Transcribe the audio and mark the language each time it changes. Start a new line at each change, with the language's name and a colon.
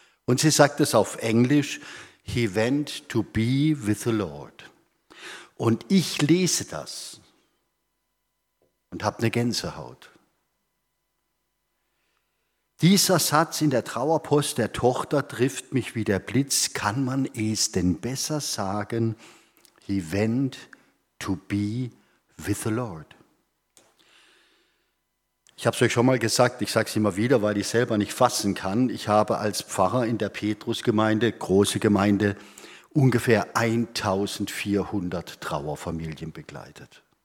German: Und sie sagt es auf Englisch,
English: he went to be with the Lord.
German: Und ich lese das und habe eine Gänsehaut. Dieser Satz in der Trauerpost der Tochter trifft mich wie der Blitz. Kann man es denn besser sagen?
English: He went to be with the Lord.
German: Ich habe es euch schon mal gesagt, ich sage es immer wieder, weil ich selber nicht fassen kann. Ich habe als Pfarrer in der Petrusgemeinde, große Gemeinde, ungefähr 1400 Trauerfamilien begleitet.